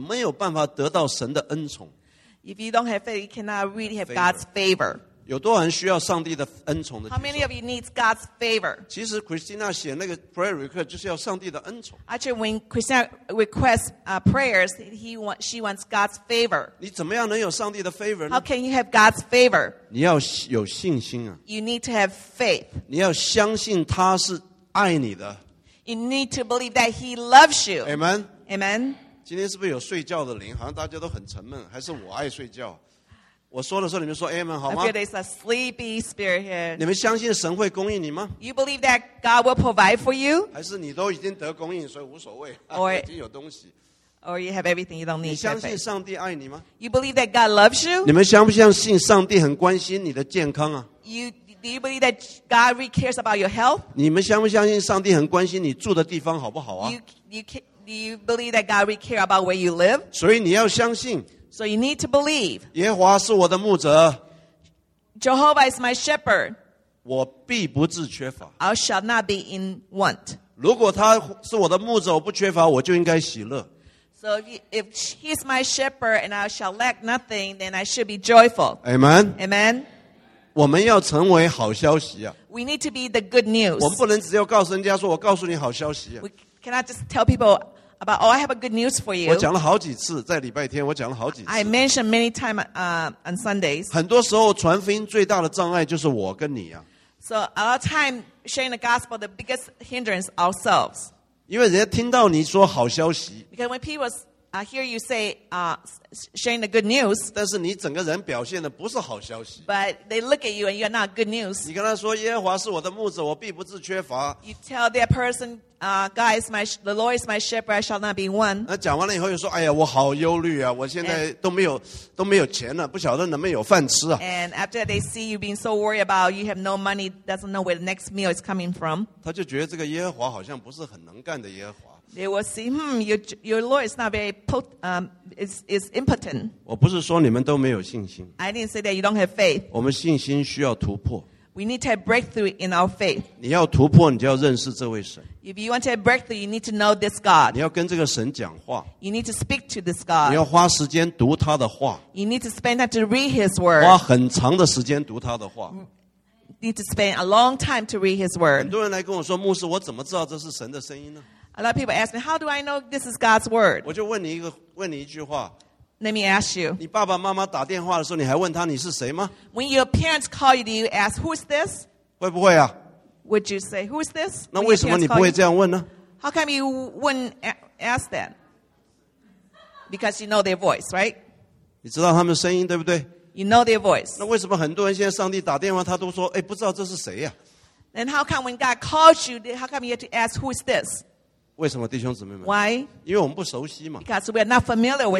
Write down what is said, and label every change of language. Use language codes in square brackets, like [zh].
[zh] 其实真正的意思不只是please，是你没有办法得到神的恩宠。 [en] If you don't have faith, you cannot really have God's favor. [zh] 有多少人需要上帝的恩宠的？ [en] How many of you need God's favor? [zh] 其实Christina写那个 prayer request 就是要上帝的恩宠。 [en] Actually, when Christina requests prayers, she wants God's favor. [zh] 你怎么样能有上帝的 favor 呢？ [en] How can you have God's favor? [zh] 你要有信心啊。 [en] You need to have faith. [zh] 你要相信他是爱你的。 [en] You need to believe that he loves you. Amen. Amen. [zh] 今天是不是有睡觉的灵?好像大家都很沉闷, 还是我爱睡觉? 我说的时候你们说 Amen, 好吗? [en] I feel there's a sleepy spirit here. [zh] 你们相信神会供应你吗? [en] You believe that God will provide for you? [zh] 还是你都已经得供应, 所以无所谓, 已经有东西。 [en] Or you have everything you don't need. [zh] 你相信上帝爱你吗? [en] You believe that God loves you? [zh] 你们相不相信上帝很关心你的健康啊? [en] Do you believe that God really cares about your health? [zh] 你们相不相信上帝很关心你住的地方好不好啊? [en] Do you believe that God really cares about where you live? [zh] 所以你要相信, [en] so you need to believe. [zh] 耶和华是我的牧者, [en] Jehovah is my shepherd. [zh] 我必不致缺乏, [en] I shall not be in want. [zh] 如果他是我的牧者, 我不缺乏, 我就应该喜乐。 [en] So if he's my shepherd and I shall lack nothing, then I should be joyful. Amen. Amen. [zh] 我们要成为好消息啊。We [en] need to be the good news. [zh] 我们不能只有告诉人家说我告诉你好消息啊。We [en] cannot just tell people about, oh, I have a good news for you. [zh] 我讲了好几次, 在礼拜天, 我讲了好几次。 [en] I mentioned many times on Sundays. [zh] 很多时候传福音最大的障碍就是我跟你啊。 [en] So a lot of time sharing the gospel, the biggest hindrance ourselves. [zh] 因为人家听到你说好消息。 [en] Because when people hear you say sharing the good news. [zh] 但是你整个人表现的不是好消息。 [en] But they look at you and you're not good news. [zh] 你跟他说耶和华是我的牧者，我必不致缺乏。 [en] You tell that person, God is my, the Lord is my shepherd, I shall not be one. [zh] 那讲完了以后又说，哎呀，我好忧虑啊，我现在都没有钱了，不晓得能不能有饭吃啊。 [en] And after they see you being so worried about you have no money, doesn't know where the next meal is coming from. [zh] 他就觉得这个耶和华好像不是很能干的耶和华。 [en] They will see, your Lord is not very is impotent. [zh] 我不是说你们都没有信心。 [en] I didn't say that you don't have faith. [zh] 我们信心需要突破。 [en] We need to have breakthrough in our faith. [zh] 你要突破，你就要认识这位神。 [en] If you want to have breakthrough, you need to know this God. [zh] 你要跟这个神讲话。 [en] You need to speak to this God. [zh] 你要花时间读他的话。 [en] You need to spend time to read His word. [zh] 花很长的时间读他的话。 [en] You need to spend a long time to read His word. [zh] 很多人来跟我说，牧师，我怎么知道这是神的声音呢？ [en] A lot of people ask me, how do I know this is God's word? [zh] 我就问你一个，问你一句话。 [en] Let me ask you. [zh] 你爸爸妈妈打电话的时候，你还问他你是谁吗？ [en] When your parents call you, do you ask, who is this? [zh] 会不会啊？ [en] Would you say, who is this? [zh] 那为什么你不会这样问呢？ [en] How come you wouldn't ask that? Because you know their voice, right? [zh] 你知道他们的声音，对不对？ [en] You know their voice. [zh] 那为什么很多人现在上帝打电话，他都说，哎，不知道这是谁啊？ [en] And how come when God calls you, how come you have to ask, who is this? [zh] 为什么弟兄姊妹们 [en] Why? [zh] 因为我们不熟悉嘛 [en] Because we are not familiar with his